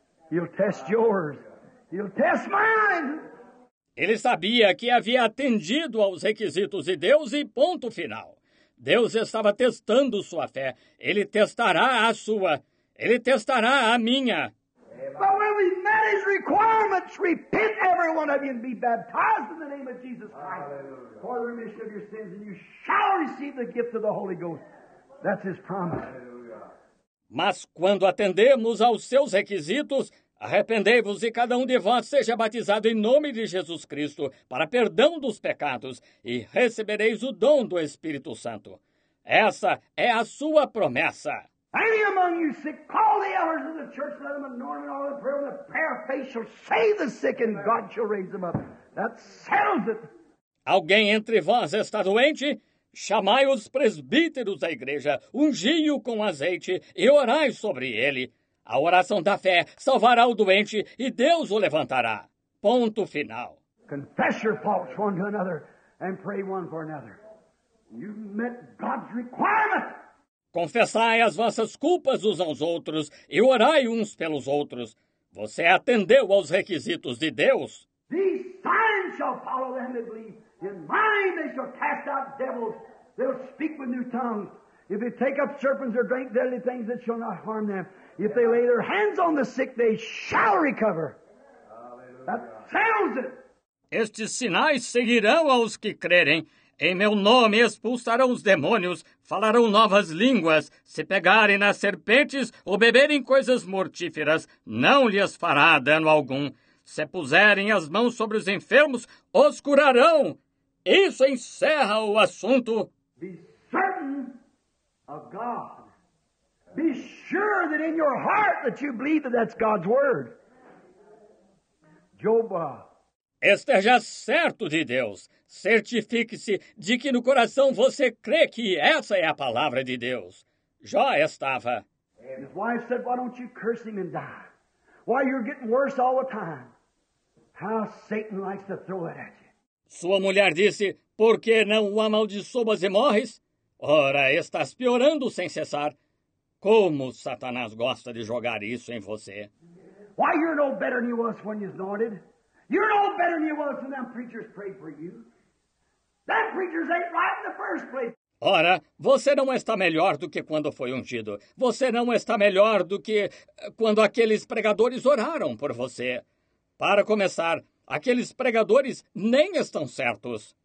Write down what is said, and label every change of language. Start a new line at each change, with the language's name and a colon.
English: He'll test yours. He'll test mine.
Portuguese: Ele sabia que havia atendido aos requisitos de Deus e ponto final. Deus estava testando sua fé. Ele testará a sua. Ele testará a minha.
English: But when we met his requirements, repent every one of you and be baptized in the name of Jesus Christ. Hallelujah. For the remission of your sins, and you shall receive the gift of the Holy Ghost. That's his promise. Hallelujah.
Portuguese: Mas quando atendemos aos seus requisitos, arrependei-vos e cada um de vós seja batizado em nome de Jesus Cristo para perdão dos pecados e recebereis o dom do Espírito Santo. Essa é a sua promessa.
English: Any among you sick, call the elders of the church, let them anoint in all the prayer, and the prayer of faith shall save the sick, and God shall raise them up. That settles it.
Portuguese: Alguém entre vós está doente? Chamai os presbíteros da igreja, ungi-o com azeite e orai sobre ele. A oração da fé salvará o doente e Deus o levantará. Ponto final.
English: Confess your faults one to another and pray one for another. You've met God's requirement.
Portuguese: Confessai as vossas culpas uns aos outros e orai uns pelos outros. Você atendeu aos requisitos de Deus?
English: These signs shall follow them that believe. In mine they shall cast out devils. They'll speak with new tongues. If they take up serpents or drink deadly things, it shall not harm them. If they lay their hands on the sick, they shall recover. That settles it.
Portuguese: Estes sinais seguirão aos que crerem. Em meu nome expulsarão os demônios, falarão novas línguas. Se pegarem nas serpentes ou beberem coisas mortíferas, não lhes fará dano algum. Se puserem as mãos sobre os enfermos, os curarão. Isso encerra o assunto.
English: Be certain of God. Be sure that in your heart that you believe that that's God's word. Job.
Portuguese: Esteja certo de Deus. Certifique-se de que no coração você crê que essa é a palavra de Deus. Jó estava.
English: His wife said, why don't you curse him and die? Why, you're getting worse all the time. How Satan likes to throw it at you.
Portuguese: Sua mulher disse, por que não o amaldiçoas e morres? Ora, estás piorando sem cessar. Como Satanás gosta de jogar isso em você?
English: Why, you're no better than you was when you started. You're no better than you was when that preacher's prayed for you. That preacher's ain't right in the first place.
Portuguese: Ora, você não está melhor do que quando foi ungido. Você não está melhor do que quando aqueles pregadores oraram por você. Para começar, aqueles pregadores nem estão certos.